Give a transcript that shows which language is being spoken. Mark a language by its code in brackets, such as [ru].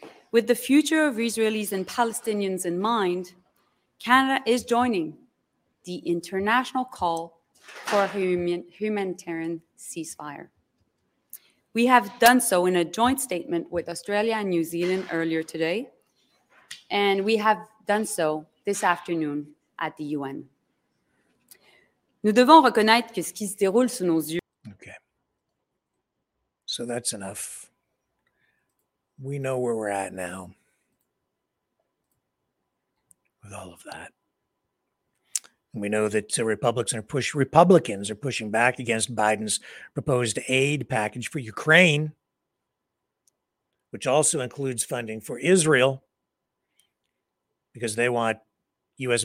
[en] With the future of Israelis and Palestinians in mind, Canada is joining the international call for a humanitarian ceasefire. We have done so in a joint statement with Australia and New Zealand earlier today, and we have done so this afternoon at the UN. [fr] Nous devons reconnaître que ce qui se déroule sous nos yeux. [en] Okay. So that's enough. We know where we're at now with all of that. We know that Republicans are pushing back against Biden's proposed aid package for Ukraine, which also includes funding for Israel, because they want U.S.